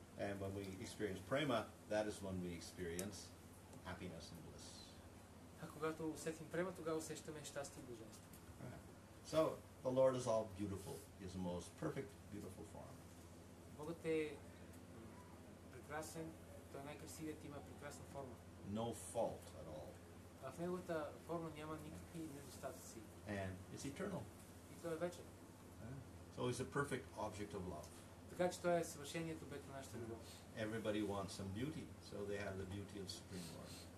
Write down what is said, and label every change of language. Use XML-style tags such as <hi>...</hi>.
<en>And when we experience prema, that is when we experience happiness and bliss.</en> <bg>А когато усетим према, тогава усещаме щастие и блаженство.</bg> <en>So the Lord is all beautiful. He is the most perfect, beautiful form.</en> <bg>Богът е прекрасен. Той е най-красивият, има прекрасна форма.</bg> <en>No fault at all.</en> <bg>А в неговата форма няма никакви недостатъци.</bg> <en>And it's eternal.</en> <bg>И той е вечен.</bg> <en>So he's a perfect object of love.</en> <bg>Така че той е съвършеният обект на нашата любов.</bg> <en>Everybody wants some beauty, so they have the beauty of Supreme Lord.</en>